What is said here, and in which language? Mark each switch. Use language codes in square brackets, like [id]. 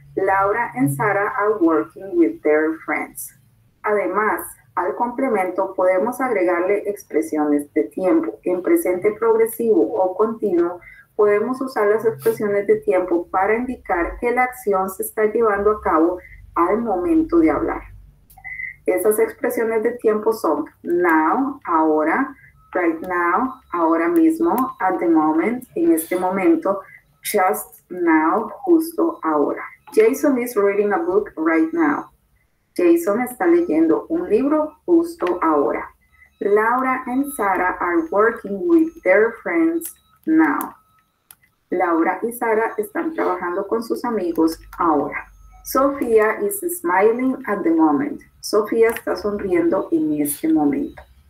[en] Laura and Sarah are working with their friends. [es] Además, al complemento podemos agregarle expresiones de tiempo. En presente progresivo o continuo, podemos usar las expresiones de tiempo para indicar que la acción se está llevando a cabo al momento de hablar. Esas expresiones de tiempo son now, ahora, [en] right now, [es] ahora mismo, [en] at the moment, [es] en este momento, [en] just now, [es] justo ahora. [en] Jason is reading a book right now. [es] Jason está leyendo un libro justo ahora. [en] Laura and Sarah are working with their friends now. [es] Laura y Sarah están trabajando con sus amigos ahora. [en] Sofía is smiling at the moment. [es] Sofía está sonriendo en este momento.